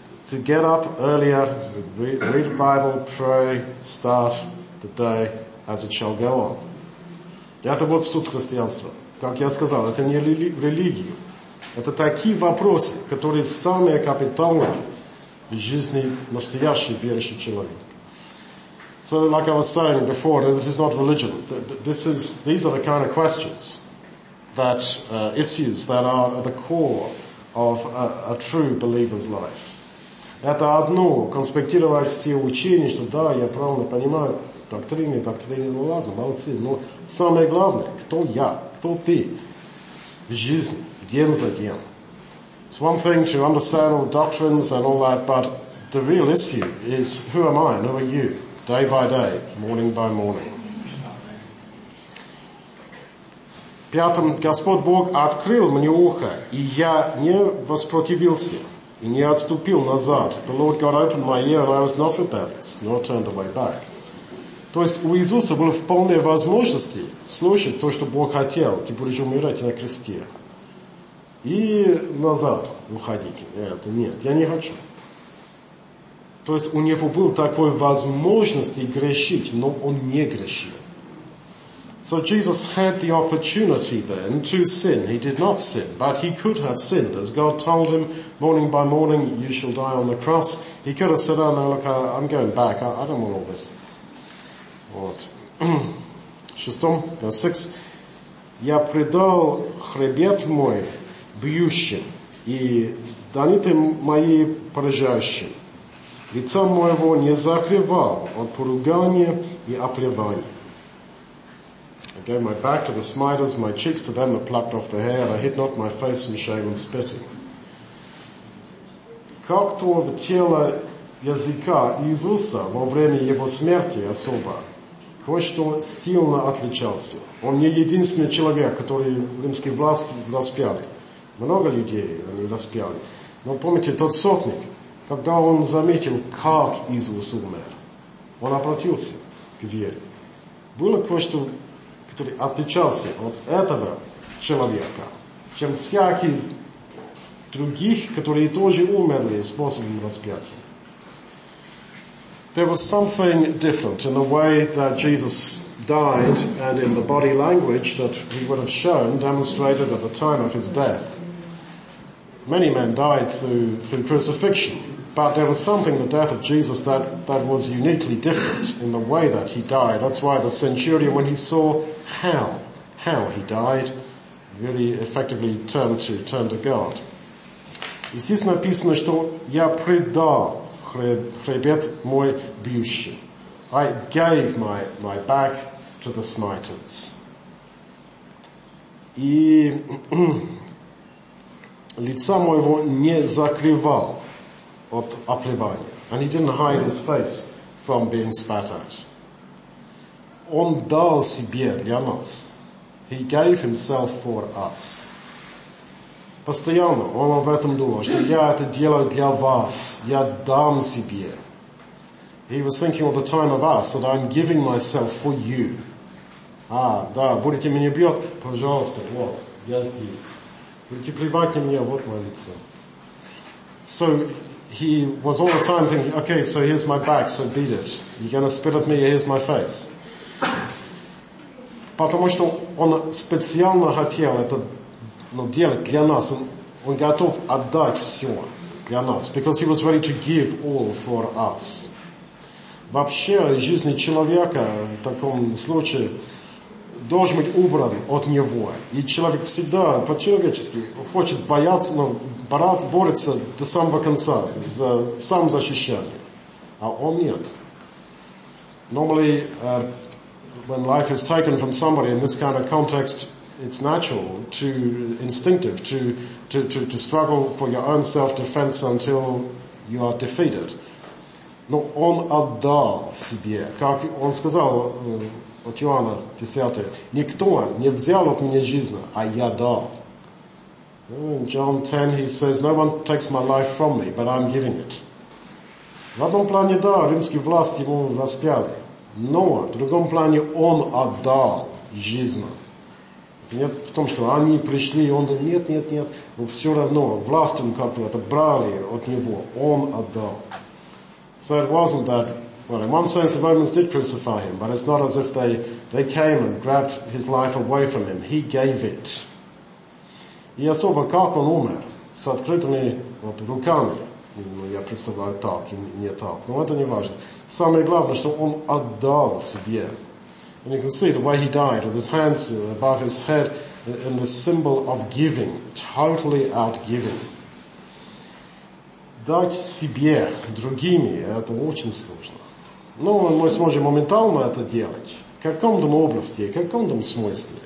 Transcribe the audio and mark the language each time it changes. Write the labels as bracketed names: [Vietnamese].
[English] To get up earlier, read the Bible, pray, start the day as it shall go on. [Russian] Это вот суть христианства. Как я сказал, это не религия. Это такие вопросы, которые самые капитальные в жизни настоящего верующего человека. [English] So, like I was saying before, this is not religion. These are the kind of questions, that issues that are at the core of a true believer's life. [Russian] Это одно, конспектировать все учения, что да, я правильно понимаю, доктрины, ну ладно, молодцы. Но самое главное, кто я, кто ты в жизни, день за день. [English] It's one thing to understand all the doctrines and all that, but the real issue is who am I and who are you, day by day, morning by morning. [Russian] Пятым, Господь Бог открыл мне ухо, и я не воспротивился. И не отступил назад. [English] The Lord God opened my ear and I was not rebellious, nor turned away back. [Russian] То есть у Иисуса было вполне возможности слушать то, что Бог хотел, ты будешь умирать на кресте. И назад уходить. Нет, я не хочу. То есть у него был такой возможности грешить, но он не грешил. [English] So Jesus had the opportunity then to sin. He did not sin, but he could have sinned. As God told him, morning by morning, you shall die on the cross. He could have said, oh, no, look, I'm going back. I don't want all this. [Russian] Вот. Шестом, [English] verse 6. [Russian] Я предал хребет мой бьющим и даниты мои поражающим. Лица моего не закрывал от поругания и оплевания. [English] I gave my back to the smiters, my cheeks to them that plucked off the hair, and I hid not my face from shame and spitting. [Russian] Как то в тело языка Иисуса во время его смерти особо кое-что сильно отличался. Он не единственный человек, который римские власти распяли. Много людей они распяли. Но помните, тот сотник, когда он заметил, как Иисус умер, он обратился к вере. Было кое-что, который отличался от этого человека, чем всякие других, которые тоже умерли способом распятия. [English] There was something different in the way that Jesus died and in the body language that he would have shown, demonstrated at the time of his death. Many men died through crucifixion, but there was something in the death of Jesus that was uniquely different in the way that he died. That's why the centurion, when he saw how he died, really effectively turned to God. [Russian] И здесь написано, что я предал хребет мой бьющим. [English] I gave my back to the smiters. [Russian] И лица моего не закрывал от оплевания. [English] And he didn't hide his face from being spat at. [Russian] Он дал себе для нас. [English] He gave himself for us. [Russian] Постоянно он об этом думал, что я это делаю для вас. Я дам себе. [English] He was thinking all the time of us, that I'm giving myself for you. [Russian] А, да, будете меня бьет? Пожалуйста, вот, я здесь. Будете плевать на меня, вот мое лицо. [English] So, he was all the time thinking, okay, so here's my back, so beat it. You're going to spit at me, here's my face. [Russian] Потому что он специально хотел это делать для нас. Он готов отдать все для нас. [English] Because he was ready to give all for us. [Russian] Вообще, жизнь человека в таком случае должен быть убран от него. И человек всегда по-человечески хочет бояться, но борется до самого конца за самозащищение. А он нет. [English] Normally, when life is taken from somebody in this kind of context, it's natural to instinctive to struggle for your own self-defense until you are defeated. [Russian] Но он отдал себе, как он сказал от Иоанна 10, никто не взял от меня жизнь, а я дал. [English] In John 10, he says, no one takes my life from me, but I'm giving it. [Russian] В одном плане, да, римские власти его распяли. Но в другом плане он отдал жизнь. Нет в том, что они пришли, и он говорит, нет. Но все равно власть как-то это брали от него, он отдал. [English] So it wasn't that, well, in one sense the Romans did crucify him, but it's not as if they came and grabbed his life away from him. He gave it. [Russian] И особо как он умер, с открытыми вот руками, ну, я представляю так и не так, но это не важно. Самое главное, что он отдал себе. [English] And you can see the way he died, with his hands above his head, in the symbol of giving, totally outgiving. [Russian] Дать себе другими, это очень сложно. Но мы сможем моментально это делать. В каком-то области, в каком-то смысле.